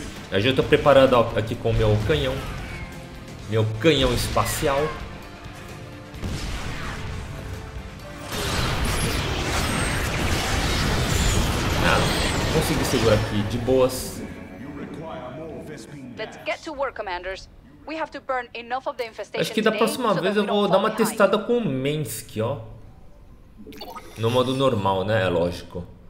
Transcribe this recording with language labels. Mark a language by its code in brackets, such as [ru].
[pt] Aí já tô preparado aqui com o meu canhão. Meu canhão espacial. Ah, consegui segurar aqui de boas. [en] Let's get to work, commanders. We have to burn enough of the infestation. [pt] Acho que da próxima vez eu vou dar uma testada com o Mensk, ó. No modo normal, né? É lógico.